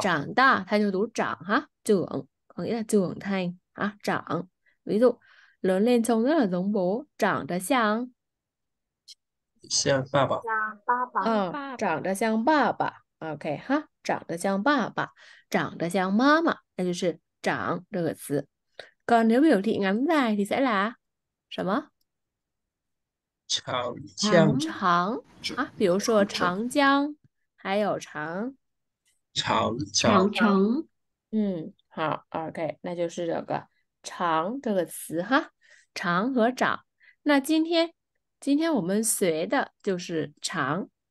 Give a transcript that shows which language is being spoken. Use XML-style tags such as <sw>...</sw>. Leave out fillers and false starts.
<zh>长大，它就读长哈，就长，哎呀，就长态啊，长。比如，人类中的龙博长得像。像爸爸。像爸爸，长得像爸爸，OK 哈，长得像爸爸，长得像妈妈，那就是“长”这个词。</zh> <vi>còn nếu biểu thị ngắn dài thì sẽ là</vi> <zh>什么？长长江，长啊，比如说长江，还有长长长长。城。好，OK，那就是这个“长”这个词哈，长和长。那今天我们学的就是长。</zh>